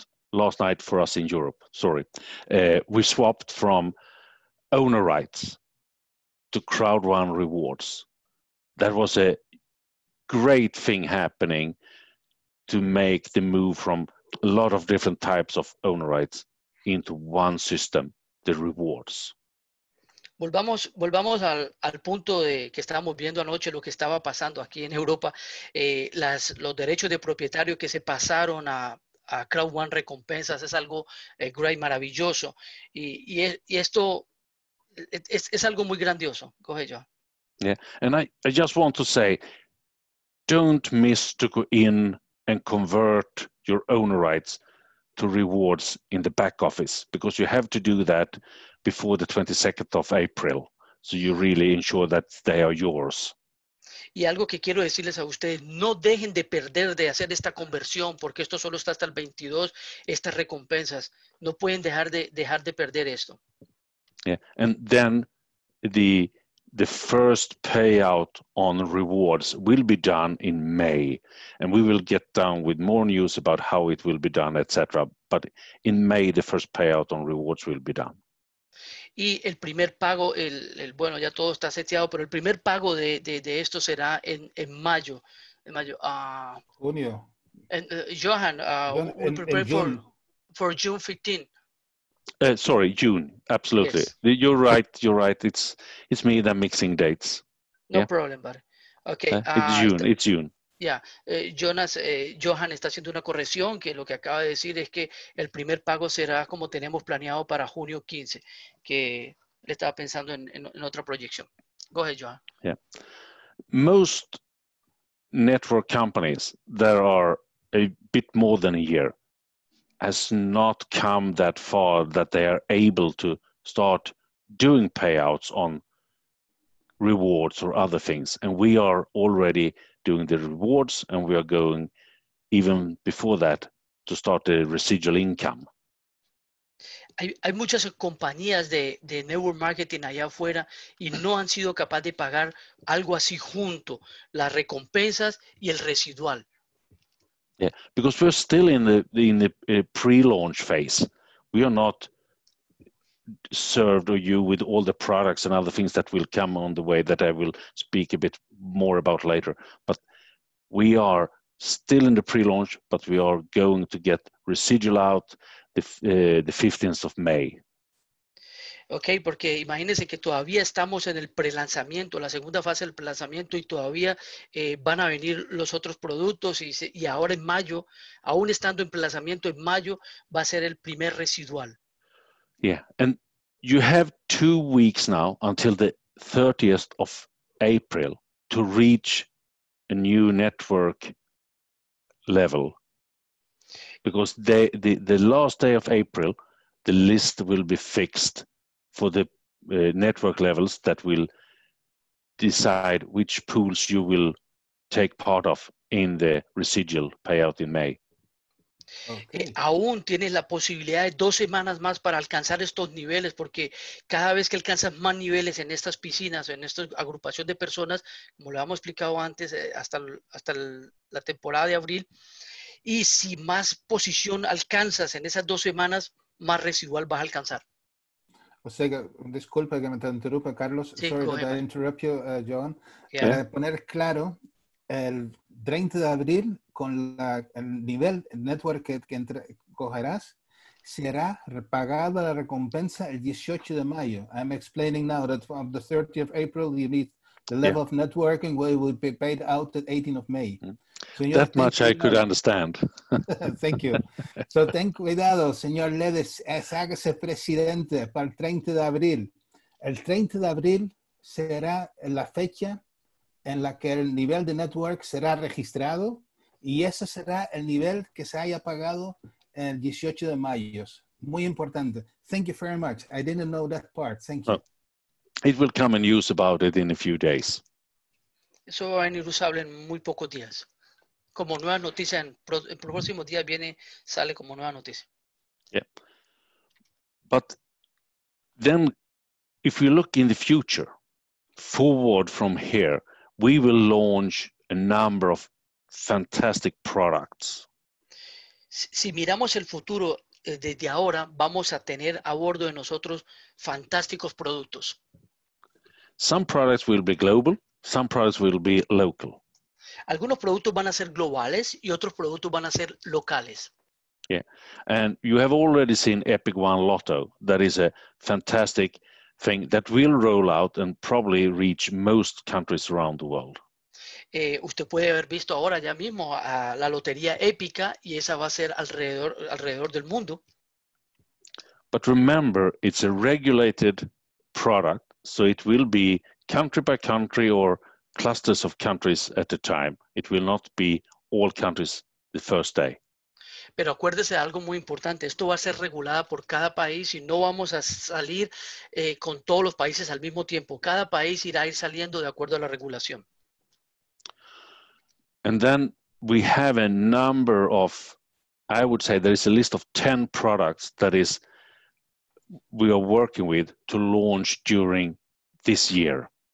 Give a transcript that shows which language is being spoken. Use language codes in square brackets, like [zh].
[en] Last night for us in Europe, we swapped from owner rights to Crowd1 Rewards. That was a great thing happening to make the move from a lot of different types of owner rights into one system, the rewards. [es] Volvamos al punto de que estábamos viendo anoche lo que estaba pasando aquí en Europa, los derechos de propietario que se pasaron a Crowd1 Recompensas es algo great, maravilloso. Y esto es algo muy grandioso. [en] Go ahead, John. Yeah, and I just want to say, don't miss to go in and convert your owner rights to rewards in the back office, because you have to do that before the 22nd of April. So you really ensure that they are yours. [es] Y algo que quiero decirles a ustedes, no dejen de perder de hacer esta conversión, porque esto solo está hasta el 22, estas recompensas. No pueden dejar de perder esto. [en] Yeah, and then the first payout on rewards will be done in May, and we will get down with more news about how it will be done, etc. But in May, the first payout on rewards will be done. [es] Y el primer pago, bueno, ya todo está seteado, pero el primer pago de esto será en mayo. Junio. [en] Johan, we prepare for June 15th. Sorry, June. Absolutely. Yes. You're right. It's me that mixing dates. No yeah? problem, but okay. It's June. Yeah. [es] Johan está haciendo una corrección, que lo que acaba de decir es que el primer pago será como tenemos planeado para junio 15, que le estaba pensando en otra proyección. [en] Go ahead, Johan. Yeah. Most network companies that are a bit more than a year has not come that far that they are able to start doing payouts on rewards or other things. And we are already doing the rewards, and we are going even before that to start the residual income. [es] Hay muchas compañías de network marketing allá afuera y no han sido capaz de pagar algo así junto, las recompensas y el residual. [en] Yeah, because we're still in the pre-launch phase. We are not served you with all the products and other things that will come on the way that I will speak a bit more about later. But we are still in the pre-launch, but we are going to get residual out the 15th of May. [es] Okay, porque imagínense que todavía estamos en el prelanzamiento, la segunda fase del prelanzamiento, y todavía van a venir los otros productos y ahora en mayo, aún estando en prelanzamiento en mayo, va a ser el primer residual. [en] Yeah, and you have 2 weeks now until the 30th of April to reach a new network level. Because the last day of April, the list will be fixed for the network levels that will decide which pools you will take part of in the residual payout in May. Okay. [es] Aún tienes la posibilidad de 2 semanas más para alcanzar estos niveles, porque cada vez que alcanzas más niveles en estas piscinas, en esta agrupación de personas, como lo hemos explicado antes, hasta la temporada de abril, y si más posición alcanzas en esas 2 semanas, más residual vas a alcanzar. O sea, disculpa que me te interrumpa, Carlos. Sí, [en] sorry that I interrupt you, John. Yeah. [es] Para poner claro, el 30 de abril, con el nivel el network que cogerás, será repagada la recompensa el 18 de mayo. [en] I'm explaining now that from the 30th of April, you need the level yeah. of networking where it will be paid out the 18th of May. Mm-hmm. That much I could understand. Thank you. [es] So, ten cuidado, señor Ledes, hágase presidente para el 30 de abril. El 30 de abril será la fecha en la que el nivel de network será registrado, y ese será el nivel que se haya pagado el 18 de mayo. Muy importante. [en] Thank you very much. I didn't know that part. Thank you. Oh, it will come in use about it in a few days. [es] Eso va a venir usable en muy pocos días. Como nueva noticia, en los próximos días viene, sale como nueva noticia. [en] Yeah. But then, if we look in the future, forward from here, we will launch a number of fantastic products. [es] Si miramos el futuro desde ahora, vamos a tener a bordo de nosotros fantásticos productos. [en] Some products will be global, some products will be local. [es] Algunos productos van a ser globales y otros productos van a ser locales. [en] Yeah, and you have already seen Epic One Lotto. That is a fantastic thing that will roll out and probably reach most countries around the world. [es] Usted puede haber visto ahora ya mismo a la lotería épica y esa va a ser alrededor del mundo. [en] But remember, it's a regulated product, so it will be country by country or clusters of countries at a time. It will not be all countries the first day. [es] Pero acuérdese de algo muy importante. Esto va a ser regulada por cada país y no vamos a salir con todos los países al mismo tiempo. Cada país irá a ir saliendo de acuerdo a la regulación. [en] And then we have a number of, I would say there is a list of 10 products that is we are working with to launch during this year.